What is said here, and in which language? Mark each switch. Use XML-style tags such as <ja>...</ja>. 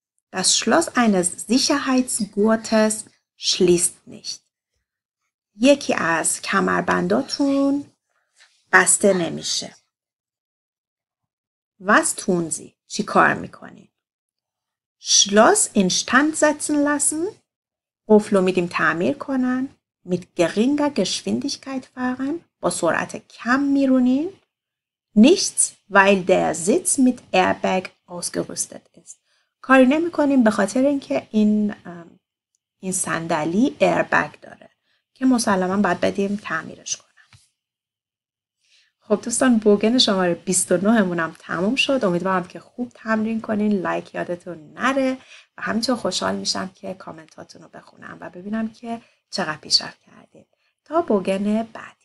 <de>Das Schloss eines Sicherheitsgurtes schließt nicht.</de> <fa>یکی از کمربنداتون بسته نمیشه.</fa> <de>Was tun Sie?</de> <fa>چی کار میکنین؟</fa> <de>Schloss instand setzen lassen.</de> <fa>قفل رو میدیم تعمیر کنن.</fa> <de>Mit geringer Geschwindigkeit fahren.</de> <fa>با سرعت کم میرونین.</fa> <de>Nichts, weil der Sitz mit Airbag ausgerüstet ist.</de> <fa>کاری نمی کنیم به خاطر اینکه این این صندلی ایربگ داره که مسلما باید بدیم تعمیرش کنم. خب دوستان، بوگن شماره 29 مونم تموم شد. امیدوارم که خوب تمرین کنین، لایک یادتون نره و همینطور خوشحال میشم که کامنتاتون رو بخونم و ببینم که چقدر پیشرفت کردین. تا بوگن بعد.</fa>